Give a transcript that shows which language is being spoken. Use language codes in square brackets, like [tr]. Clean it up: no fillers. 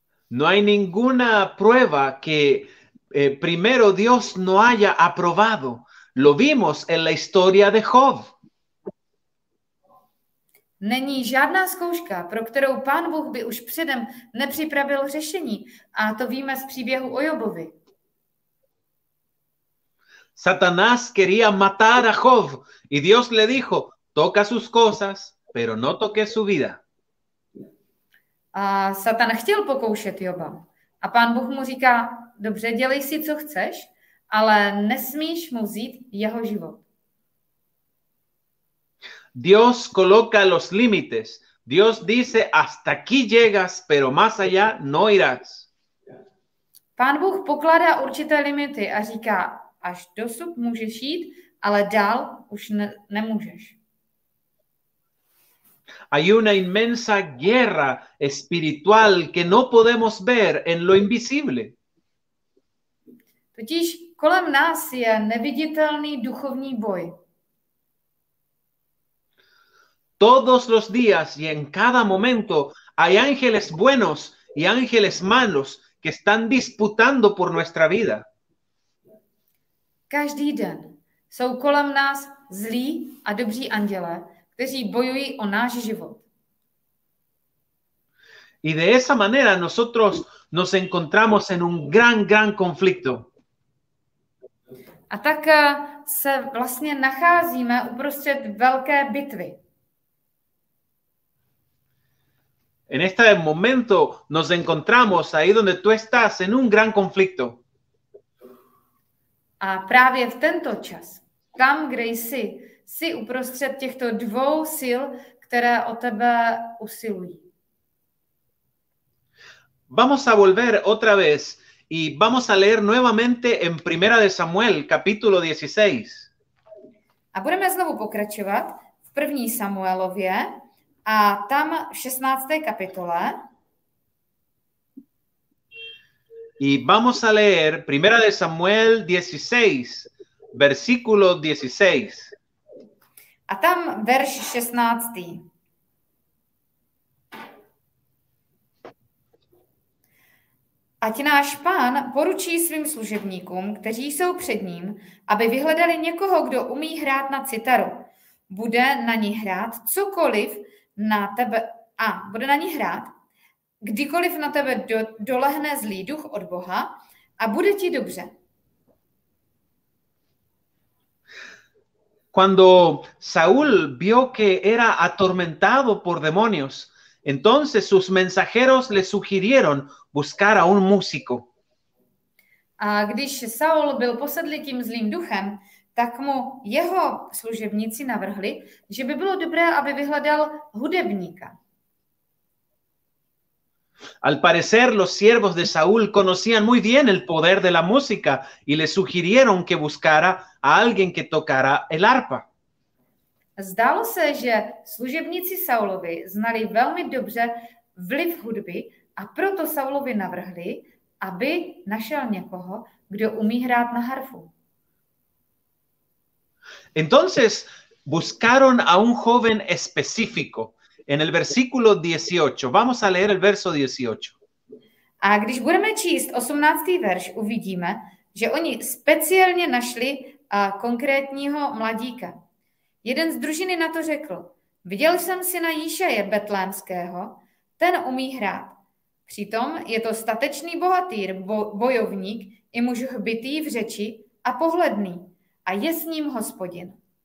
[es] No hay ninguna prueba que primero Dios no haya aprobado. Lo vimos en la historia de Job. [cs] Není žádná zkouška, pro kterou Pán Bůh by už předem nepřipravil řešení, a to víme z příběhu o Jobovi. [es] Satanás quería matar a Job y Dios le dijo: "Toca sus cosas, pero no toque su vida." [cs] A Satan chtěl pokoušet Joba. A Pán Bůh mu říká: "Dobře, dělej si, co chceš, ale nesmíš mu vzít jeho život." [es] Dios coloca los límites. Dios dice: "Hasta aquí llegas, pero más allá no irás." [cs] Pán Bůh pokládá určité limity a říká: "Až dosud můžeš jít, ale dál už nemůžeš." [es] Hay una inmensa guerra espiritual que no podemos ver en lo invisible. [cs] Totiž kolem nás je neviditelný duchovní boj. [es] Todos los días y en cada momento hay ángeles buenos y ángeles malos que están disputando por nuestra vida. [cs] Každý den jsou kolem nás zlí a dobří anděle, kteří bojují o náš život. [es] Y de esa manera nosotros nos encontramos en un gran, gran conflicto. [cs] A tak se vlastně nacházíme uprostřed velké bitvy. [es] En este momento nos encontramos ahí donde tú estás en un gran conflicto. [cs] A právě v tento čas, tam, kde jsi, jsi uprostřed těchto dvou sil, které o tebe usilují. [es] Vamos a volver otra vez y vamos a leer nuevamente en Primera de Samuel, capítulo 16. [cs] A budeme znovu pokračovat v 1. Samuelově a tam v 16. kapitole. [es] Y vamos a leer Primera de Samuel 16, versículo 16. [cs] A tam verš 16. Ať náš pán poručí svým služebníkům, kteří jsou před ním, aby vyhledali někoho, kdo umí hrát na citaru. Bude na ní hrát cokoliv na tebe, a bude na ní hrát, kdykoliv na tebe dolehne zlý duch od Boha a bude ti dobře. [es] Cuando Saúl vio que era atormentado por demonios, entonces sus mensajeros le sugirieron buscar a un músico. [cs] A když Saul byl posedlý tím zlým duchem, tak mu jeho služebníci navrhli, že by bylo dobré, aby vyhledal hudebníka. [es] Al parecer, los siervos de Saúl conocían muy bien el poder de la música y le sugirieron que buscara a alguien que tocara el arpa. [cs] Zdálo se, že služebníci Saulovi znali velmi dobře vliv hudby a proto Saulovi navrhli, aby našel někoho, kdo umí hrát na harfu. [es] Entonces buscaron a un joven específico. En el versículo 18, vamos a leer el verso 18. [cs] A když budeme číst 18. verš, uvidíme, že oni speciálně našli konkrétního mladíka. Jeden z družiny na to řekl: "Viděl jsem syna Jíšeje betlémského, ten umí hrát. Přitom je to statečný bohatýr, bojovník i muž hbitý v řeči a pohledný, a je s ním Hospodin."